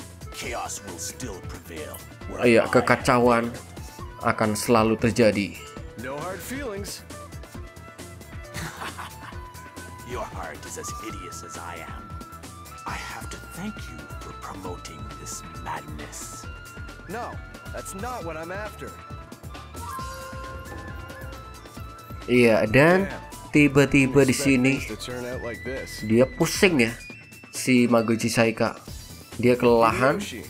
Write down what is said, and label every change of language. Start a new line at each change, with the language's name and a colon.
English: Chaos will still prevail.
Indonesian: Iya, kekacauan akan selalu terjadi.
English: No hard feelings. Your heart is as hideous as I am. I have to thank you for promoting this madness. No, that's not what I'm after.
Indonesian: Iya, dan tiba-tiba di sini dia pusing ya, si Magoji Saika. Dia kelelahan.